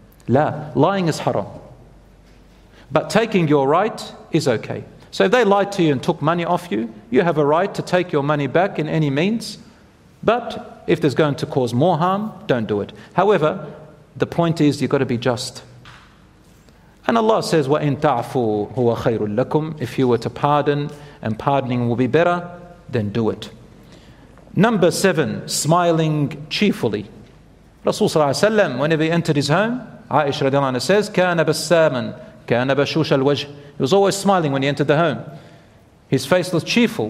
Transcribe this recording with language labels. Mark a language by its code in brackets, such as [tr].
[en] La, lying is haram. But taking your right is okay. So if they lied to you and took money off you, you have a right to take your money back in any means. But if there's going to cause more harm, don't do it. However, the point is you've got to be just. And Allah says, [ar] وَإِن تَعْفُوا هُوَ خَيْرٌ لَكُمْ. [en] If you were to pardon, and pardoning will be better, then do it. Number seven, smiling cheerfully. Rasul Sallallahu Alaihi Wasallam, whenever he entered his home, Aisha radiallahu anha says, [ar] كَانَ بَسَّامًا كَانَ بَشُوشَ الْوَجْهِ. [en] He was always smiling when he entered the home. His face was cheerful.